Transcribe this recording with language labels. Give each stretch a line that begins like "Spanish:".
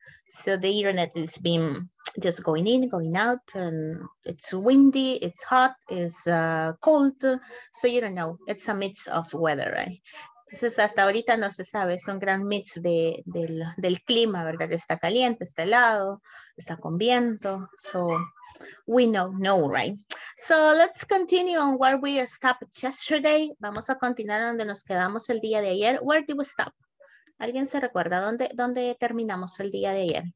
English: So the internet has been just going in, going out, and it's windy, it's hot, it's cold. So you don't know. It's a mix of weather, right?
Spanish: Entonces, hasta ahorita no se sabe, es un gran mix del clima, ¿verdad? Está caliente, está helado, está con viento.
English: So, we don't know, right? So, let's continue on where we stopped yesterday.
Spanish: Vamos a continuar donde nos quedamos el día de ayer.
English: Where did we stop?
Spanish: ¿Alguien se recuerda dónde terminamos el día de ayer?